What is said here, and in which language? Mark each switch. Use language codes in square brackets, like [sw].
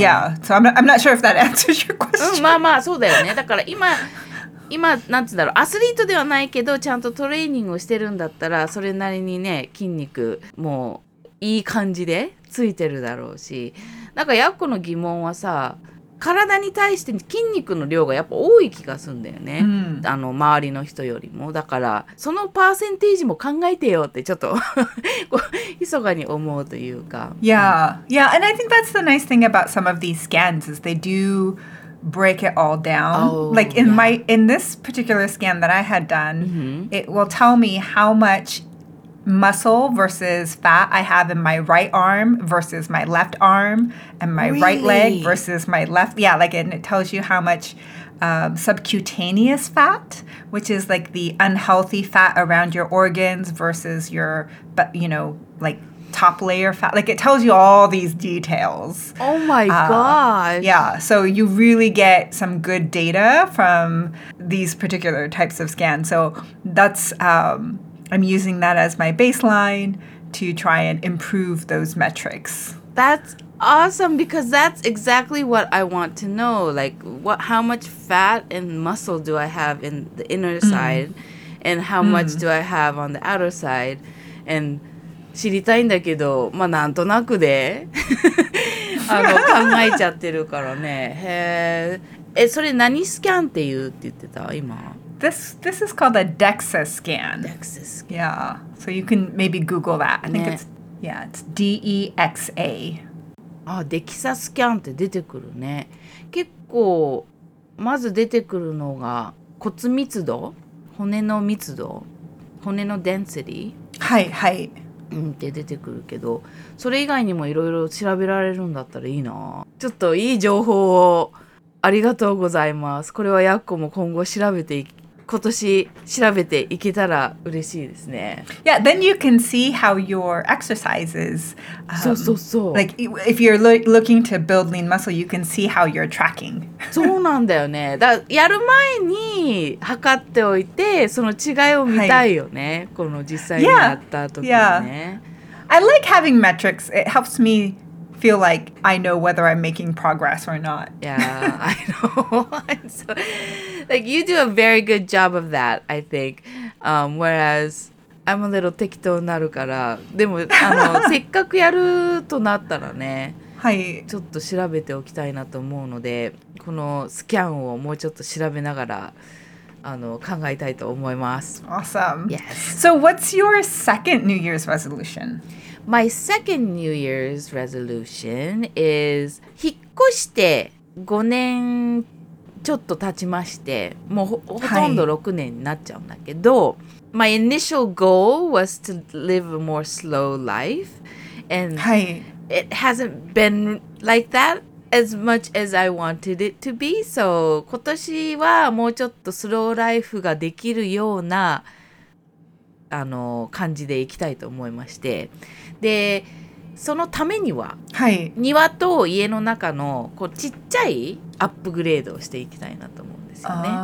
[en] Yeah, so I'm not sure if that answers your question. [ja] うん、まあまあ、そうだよね。だから今、なんて言うんだろう、アスリートではないけど、ちゃんとトレーニングをしてるんだったら、それなりにね、筋肉もいい感じでついてるだろうし。なんか、ヤッコの疑問はさ、体に対して筋肉の量がやっぱ多い気がするんだよね、うん、あの周りの人よりも。だからそのパーセンテージも考えてよってちょっと密かに思うというか。 [en] Yeah,、うん、yeah, and I think that's the nice thing about some of these scans is they do break it all down. Oh, like in、yeah. my, in this particular scan that I had done,、 mm-hmm. it will tell me how muchMuscle versus fat I have in my right arm versus my left arm and my、 really? right leg versus my left. Yeah, like, and it tells you how much、subcutaneous fat, which is like the unhealthy fat around your organs versus your, you know, like top layer fat. Like, it tells you all these details. Oh my gosh. Yeah, so you really get some good data from these particular types of scans. So that's... I'm using that as my baseline to try and improve those metrics. That's awesome because that's exactly what I want to know. Like, what, how much fat and muscle do I have in the inner side? And how much do I have on the outer side? [ja] And 知りたいんだけど、まあなんとなくで考えちゃってるからね。へえ、それ何スキャンって言うって言ってた今。 [en] This is called a DEXA scan. DEXA scan. Yeah. So you can maybe Google that. I think、ね、it's, yeah, it's DEXA. [ja] Ah, DEXA scan って出てくるね。結構、まず出てくるのが骨密度、骨の密度、骨の density。はいはい。って出てくるけど、それ以外にもいろいろ調べられるんだったらいいな。ちょっといい情報を。ありがとうございます。これはヤッコも今後調べて、今年調べていけたら嬉しいですね。 [en] Yeah, then you can see how your exercises,、 [ja] そうそうそう。 [en] Like, if you're looking to build lean muscle, you can see how you're tracking. [ja] そうなんだよね。だやる前に測っておいて、その違いを見たいよね。はい、この実際にやった時にね。 [en] Yeah. Yeah. I like having metrics. It helps me... feel like I know whether I'm making progress or not. Yeah, I know. So, like, you do a very good job of that, I think. Whereas, I'm a little [ja] 適当になるから、でも、せっかくやるとなったらね、はい、ちょっと調べておきたいなと思うので、このスキャンをもうちょっと調べながら、考えたいと思います。 [en] Awesome. Yes. So, what's your second New Year's resolution? My second New Year's resolution is [ja] 引っ越して5年ちょっと経ちまして、もう ほとんど6年になっちゃうんだけど、はい、 [en] My initial goal was to live a more slow life. And、 [ja] はい、 [en] it hasn't been like that as much as I wanted it to be. [ja] So 今年はもうちょっとスローライフができるような感じでいきたいと思いまして、でそのためには、はい、庭と家の中のこうちっちゃいアップグレードをしていきたいなと思うんですよね。